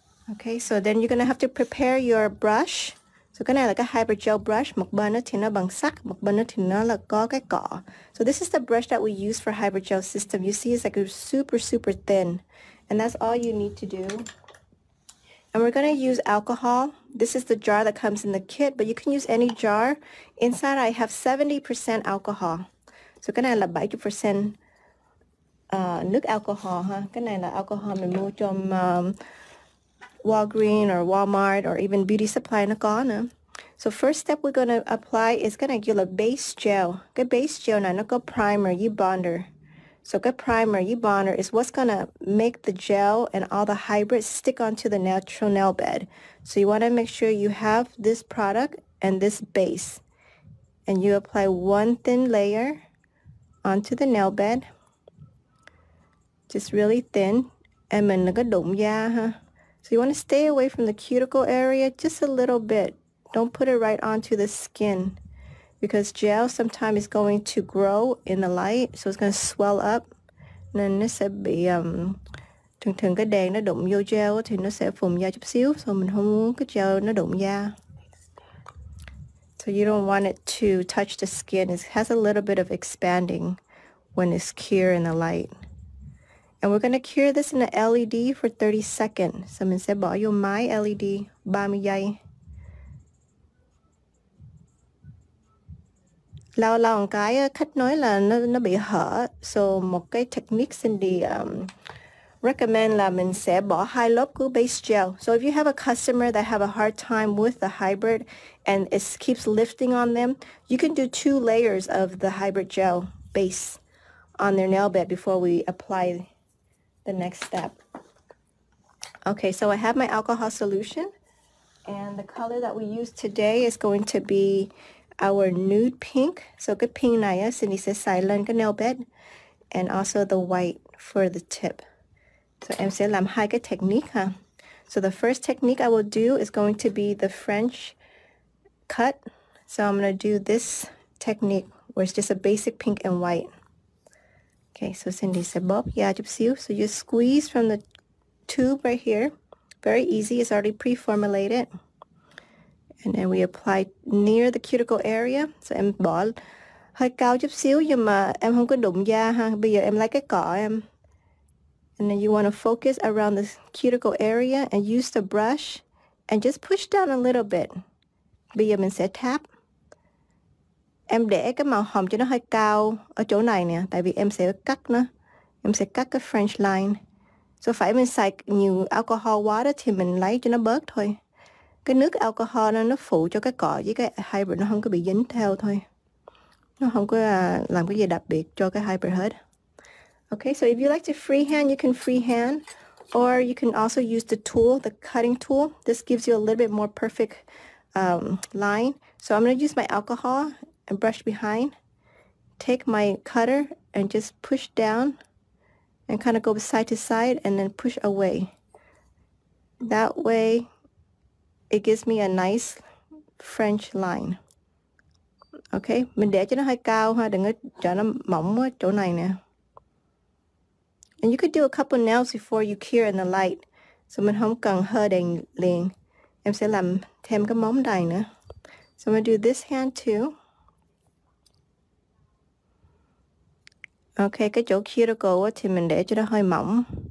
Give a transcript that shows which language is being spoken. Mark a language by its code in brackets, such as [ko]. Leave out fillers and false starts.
[en] Okay, so then you're gonna have to prepare your brush. [vi] So cái này là cái hydrogel brush, một bên thì nó bằng sắt, một bên thì nó là có cái cỏ. [en] So this is the brush that we use for hydrogel system. You see it's like a super, super thin. And that's all you need to do. And we're gonna use alcohol. This is the jar that comes in the kit, but you can use any jar. Inside I have 70% alcohol. So [vi] cái này là 70% nước alcohol ha. Cái này là alcohol mình mua trong Walgreens or Walmart or even beauty supply nó có nữa. [en] So first step we're gonna apply is gonna give a base gel. [vi] Cái base gel này nó có primer, you bonder. [en] So cái primer, you bonder is what's gonna make the gel and all the hybrids stick onto the natural nail bed. So you wanna make sure you have this product and this base. And you apply one thin layer onto the nail bed. Just really thin. And [vi] mình nó có đụng da ha. [en] So you wanna stay away from the cuticle area just a little bit. Don't put it right onto the skin because gel sometimes is going to grow in the light, so it's going to swell up. [vi] Nên nó sẽ bị thường thường cái đèn nó đụng vô gel thì nó sẽ phồng da chút xíu, so mình không muốn cái gel nó đụng da. [en] So you don't want it to touch the skin. It has a little bit of expanding when it's cured in the light. And we're going to cure this in the LED for 30 seconds. [vi] So mình sẽ bỏ vô máy LED 30 giây. Lâu lâu một cái khách nói là nó bị hở. So một cái technique Cindy recommend là mình sẽ bỏ hai lớp glue base gel. [en] So if you have a customer that have a hard time with the hybrid and it keeps lifting on them, you can do two layers of the hybrid gel base on their nail bed before we apply the next step. Okay, so I have my alcohol solution. And the color that we use today is going to be our nude pink, so good pink naya, Cindy says silent nail bed, and also the white for the tip. So [vi] em sẽ làm hai cái technique ha. [en] So the first technique I will do is going to be the French cut. So I'm gonna do this technique where it's just a basic pink and white. Okay, so Cindy said bob yeah chút xíu. So you squeeze from the tube right here. Very easy, it's already pre-formulated. And then we apply near the cuticle area. [vi] So em bỏ hơi cao chút xíu nhưng mà em không có đụng da ha. Bây giờ em lấy cái cỏ em. [en] And then you want to focus around the cuticle area and use the brush and just push down a little bit. [vi] Bây giờ mình sẽ tap. Em để cái màu hồng cho nó hơi cao ở chỗ này nè. Tại vì em sẽ cắt nó. Em sẽ cắt cái French line. So phải mình xài nhiều alcohol water thì mình lấy cho nó bớt thôi. Cái nước alcohol nó phụ cho cái cỏ với cái hybrid nó không có bị dính theo thôi. Nó không có làm cái gì đặc biệt cho cái hybrid hết. [en] Okay, so if you like to freehand, you can freehand. Or you can also use the tool, the cutting tool. This gives you a little bit more perfect line. So I'm going to use my alcohol and brush behind. Take my cutter and just push down. And kind of go side to side and then push away. That way it gives me a nice French line. [vi] Okay, mình để cho nó hơi cao ha, đừng cho nó mỏng ở chỗ này nè. [en] And you could do a couple nails before you cure in the light. [vi] So mình không cần hơ đèn liền. Em sẽ làm thêm cái móng đài nữa. [en] So I'm gonna do this hand too. [vi] Okay, cái chỗ cuticle thì mình để cho nó hơi mỏng.